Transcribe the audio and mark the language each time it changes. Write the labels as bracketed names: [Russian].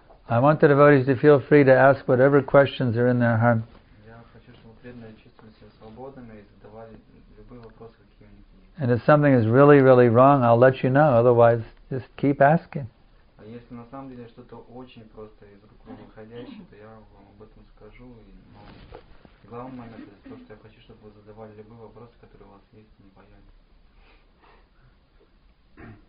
[English] I want the devotees to feel free to ask whatever questions are in their heart. [Russian] Я хочу, чтобы преданные чувствовали себя свободными и задавали любые вопросы, какие у них есть. [English] And if something is really, really wrong, I'll let you know. Otherwise, just keep asking. [Russian] А если на самом деле что-то очень просто из рук вон выходящее, то я вам об этом скажу. И, но главный момент это то, что я хочу, чтобы вы задавали любые вопросы, которые у вас есть, и не боялись.